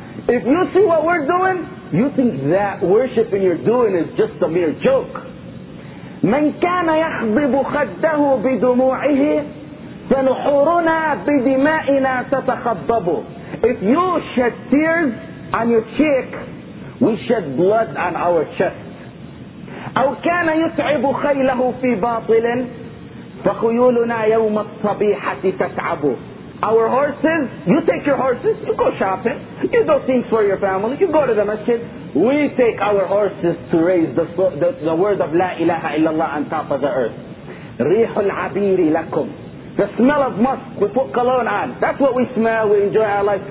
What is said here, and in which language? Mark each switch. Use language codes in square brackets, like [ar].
[en] If you see what we're doing, you think that worshipping you're doing is just a mere joke. [ar] من كان يخضب خده بدموعه فنحورنا بدمائنا تتخضب. [en] If you shed tears on your cheek, we shed blood on our chest. [ar] أو كان يتعب خيله في باطل فخيولنا يوم الصبيحة تتعب. [en] Our horses, you take your horses, you go shopping, you do things for your family, you go to the masjid. We take our horses to raise the word of La ilaha illallah on top of the earth. [ar] رِيحُ الْعَبِيرِ لَكُمْ. [en] The smell of musk, we put cologne on. That's what we smell, we enjoy our life.